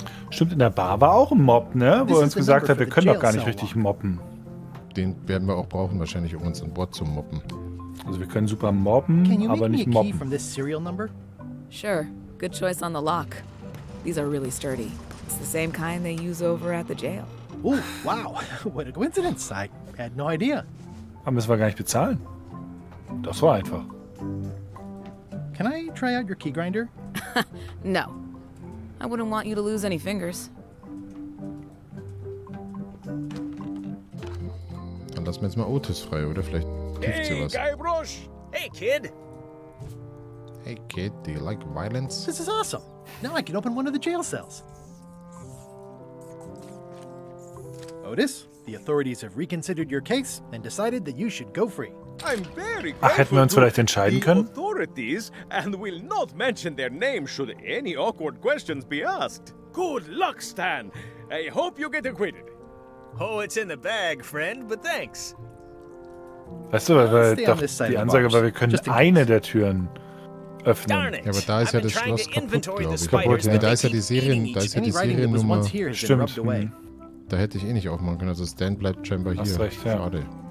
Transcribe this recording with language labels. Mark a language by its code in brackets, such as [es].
[de] Stimmt, in der Bar war auch ein Mob, ne? Wo er uns gesagt hat, wir können doch gar nicht richtig mobben. Den werden wir auch brauchen, wahrscheinlich, um uns an Bord zu mobben. Also wir können super mobben, aber nicht mobben. [en] From this serial number? Sure, good choice on the lock. These are really sturdy. It's the same kind they use over at the jail. Oh, wow. What a coincidence. I had no idea. [de] Aber müssen wir gar nicht bezahlen. Das war einfach. [en] Can I try out your key grinder? No. I wouldn't want you to lose any fingers. [de] Dann lassen wir jetzt mal Otis frei, oder? Vielleicht tieft sie was. [en] Hey, Guybrush. Hey, kid. Hey, kid. Do you like violence? This is awesome. Now I can open one of the jail cells. Otis, the authorities have reconsidered your case and decided that you should go free. I'm very grateful. [de] Hätten wir uns vielleicht entscheiden können? [en] The authorities and will not mention their name should any awkward questions be asked. Good luck, Stan. I hope you get acquitted. Oh, it's in the bag, friend, but thanks. [de] Weißt du, weil doch die Ansage war, wir können eine der Türen öffnen. Ja, aber da ist ja das Schloss kaputt, glaube ich. Kaputt, ja. Nee, da ist ja die Serien, da ist ja die Seriennummer. Stimmt. Da hätte ich eh nicht aufmachen können. Also Stan bleibt scheinbar hier. Hast recht, ja. Schade.